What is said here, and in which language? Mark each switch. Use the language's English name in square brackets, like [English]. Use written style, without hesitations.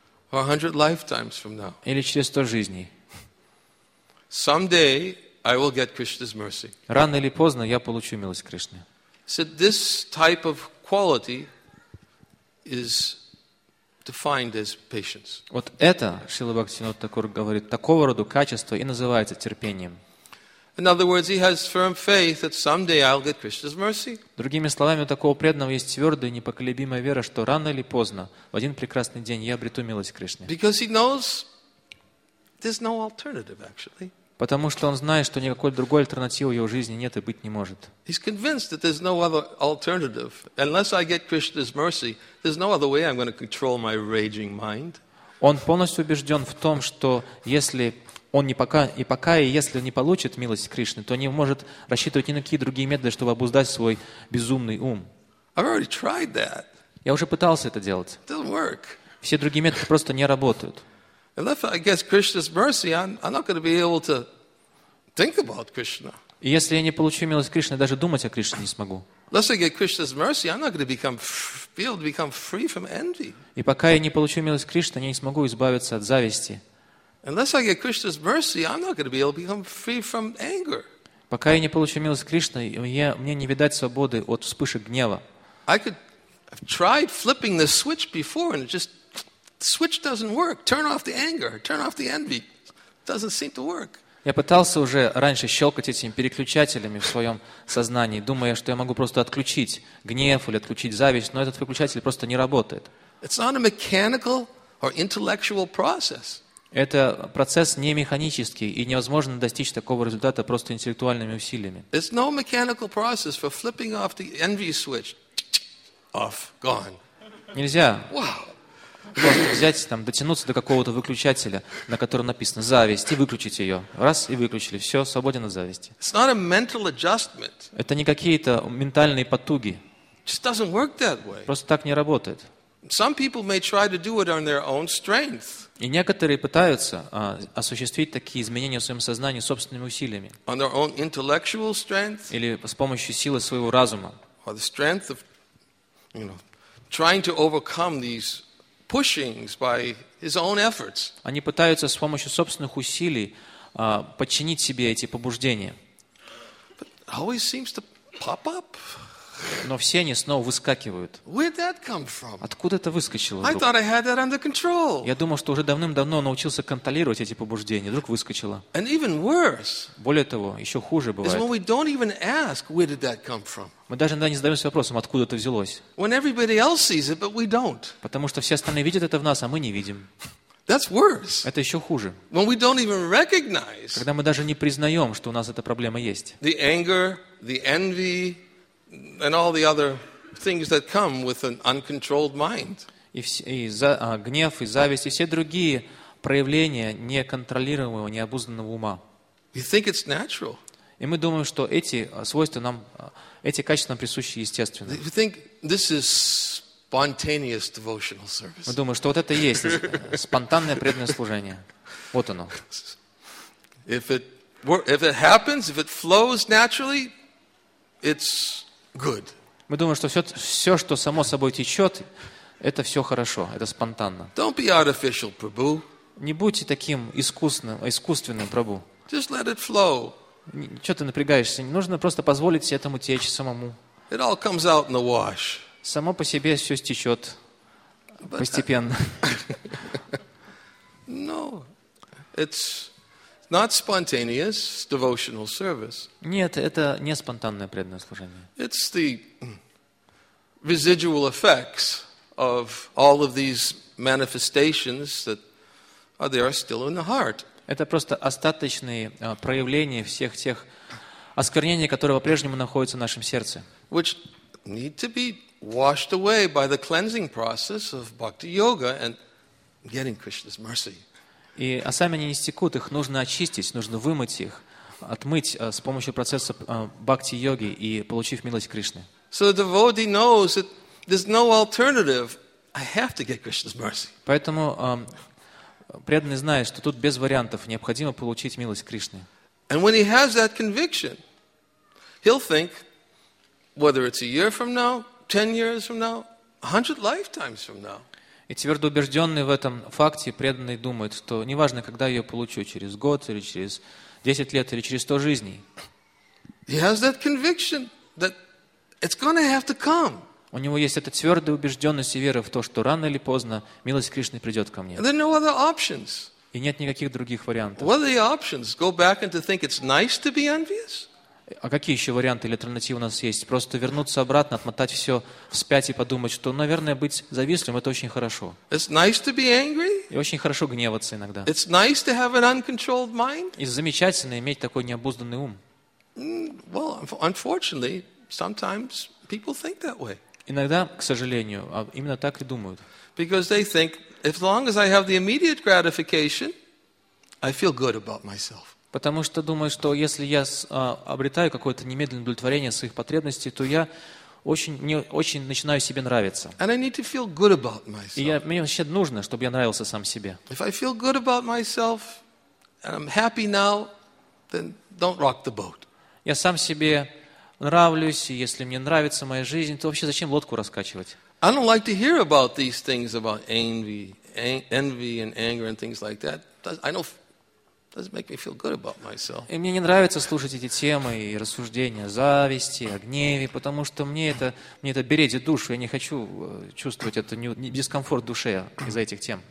[English] or 100 lifetimes from now, [Russian] или через 100 жизней. [English] Someday I will get Krishna's mercy. [Russian] Рано или поздно я получу милость Кришны. [English] So this type of quality is defined as patience. [Russian] Вот это, Шрила Бхактисиддханта Тхакур говорит, такого рода качество и называется терпением. [English] In other words, he has firm faith that someday I'll get Krishna's mercy. [Russian] Другими словами, у такого преданного есть твердая и непоколебимая вера, что рано или поздно, в один прекрасный день, я обрету милость Кришны. [English] Because he knows there's no alternative, actually. [Russian] Потому что он знает, что никакой другой альтернативы в его жизни нет и быть не может. [English] He's convinced that there's no other alternative. Unless I get Krishna's mercy, there's no other way I'm going to control my raging mind. [Russian] Он полностью убежден в том, что если он не пока, и пока, и если он не получит милость Кришны, то не может рассчитывать ни на какие другие методы, чтобы обуздать свой безумный ум. [English] I've already tried that. [Russian] Я уже пытался это делать. [English] It doesn't work. [Russian] Все другие методы просто не работают. [English] Unless I get Krishna's mercy, I'm not going to be able to think about Krishna. [Russian] И если я не получу милость Кришны, даже думать о Кришне не смогу. [English] Unless I get Krishna's mercy, I'm not going to be able to become free from envy. [Russian] И пока я не получу милость Кришны, я не смогу избавиться от зависти. [English] Unless I get Krishna's mercy, I'm not going to be able to become free from anger. [Russian] Пока я не получу милость Кришны, мне не видать свободы от вспышек гнева. [English] I've tried flipping the switch before, and it just switch doesn't work. Turn off the anger. Turn off the envy. Doesn't seem to work. [Russian] Я пытался уже раньше щелкать этими переключателями в своем сознании, думая, что я могу просто отключить гнев или отключить зависть, но этот выключатель просто не работает. [English] It's not a mechanical or intellectual process. [Russian] Это процесс не механический, и невозможно достичь такого результата просто интеллектуальными усилиями. [English] It's no mechanical process for flipping off the envy switch. Off. Gone. [Russian] Нельзя. [English] Wow. [Russian] Просто взять, там, дотянуться до какого-то выключателя, на котором написано «зависть», и выключить ее. Раз, и выключили. Все, свободен от зависти. [English] It's not a mental adjustment. [Russian] Это не какие-то ментальные потуги. [English] It just doesn't work that way. [Russian] Просто так не работает. [English] Some people may try to do it on their own strength. [Russian] И некоторые пытаются осуществить такие изменения в своем сознании собственными усилиями. [English] On their own intellectual strength. [Russian] Или с помощью силы своего разума. [English] Or the strength of, you know, trying to overcome these pushings by his own efforts. [Russian] Они пытаются с помощью собственных усилий подчинить себе эти побуждения. [English] But always seems to pop up. [Russian] Но все они снова выскакивают. [English] Where'd that come from? [Russian] Откуда это выскочило? [English] I thought I had that under control. [Russian] Я думал, что уже давным-давно научился контролировать эти побуждения, вдруг выскочило. [English] And even worse. [Russian] Более того, еще хуже бывает. [English] Is when we don't even ask, where did that come from? [Russian] Мы даже иногда не задаемся вопросом, откуда это взялось. [English] When everybody else sees it, but we don't. [Russian] Потому что все остальные видят это в нас, а мы не видим. [English] That's worse. [Russian] Это еще хуже. [English] When we don't even recognize. [Russian] Когда мы даже не признаем, что у нас эта проблема есть. [English] The anger, the envy, and all the other things that come with an uncontrolled mind. [Russian] Гнев и зависть и все другие проявления неконтролируемого, необузданного ума. [English] We think it's natural. [Russian] И мы думаем, что эти свойства нам, эти качества нам присущи естественно. [English] We think this is spontaneous devotional service. [Russian] Мы думаем, что вот это и есть спонтанное преданное служение. Вот оно. [English] If it happens, if it flows naturally, it's good. [Russian] Мы думаем, что все, что само собой течет, это все хорошо, это спонтанно. [English] Don't be artificial, Prabhu. [Russian] Не будьте таким искусственным, Прабу. [English] Just let it flow. [Russian] Чего ты напрягаешься? Нужно просто позволить этому течь самому. [English] It all comes out in the wash. [Russian] Само по себе все стечет постепенно. [English] No, it's not spontaneous devotional service. [Russian] Нет, это не спонтанное преданное служение. [English] It's the residual effects of all of these manifestations that are there still in the heart. [Russian] Это просто остаточные проявления всех тех осквернений, которые по-прежнему находятся в нашем сердце. [English] Which need to be washed away by the cleansing process of bhakti yoga and getting Krishna's mercy. [Russian] И а сами они не стекут, их нужно очистить, нужно вымыть их, отмыть с помощью процесса бхакти-йоги и получив милость Кришны. [English] So the devotee knows that there's no alternative. I have to get Krishna's mercy. [Russian] Поэтому преданный знает, что тут без вариантов необходимо получить милость Кришны. [English] And when he has that conviction, he'll think, whether it's a year from now, 10 years from now, 100 lifetimes from now. [Russian] И твердо убежденный в этом факте, преданный думает, что неважно, когда я ее получу, через год или через 10 лет или через 100 жизней. [English] He has that conviction that it's going to have to come. [Russian] У него есть эта твердая убежденность и вера в то, что рано или поздно милость Кришны придет ко мне. [English] There are no other options. [Russian] И нет никаких других вариантов. [English] What are the options? Go back and to think it's nice to be envious? [Russian] А какие еще варианты или альтернативы у нас есть? Просто вернуться обратно, отмотать все вспять и подумать, что, наверное, быть завистливым — это очень хорошо. [English] It's nice to be angry. [Russian] И очень хорошо гневаться иногда. [English] It's nice to have an uncontrolled mind. [Russian] И замечательно иметь такой необузданный ум. [English] Well, unfortunately, sometimes people think that way. [Russian] Иногда, к сожалению, именно так и думают. [English] Because they think, as long as I have the immediate gratification, I feel good about myself. [Russian] Потому что думаю, что если я обретаю какое-то немедленное удовлетворение своих потребностей, то я очень начинаю себе нравиться. [English] And I need to feel good about myself. [Russian] И мне вообще нужно, чтобы я нравился сам себе. [English] If I feel good about myself and I'm happy now, then don't rock the boat. [Russian] Я сам себе нравлюсь, и если мне нравится моя жизнь, то вообще зачем лодку раскачивать? [English] I don't like to hear about these things about envy and anger and things like that. Doesn't make me feel good about myself. [Russian] И мне не нравится слушать эти темы и рассуждения о зависти, о гневе, потому что мне это бередит душу. Я не хочу чувствовать это дискомфорт душе из-за этих тем.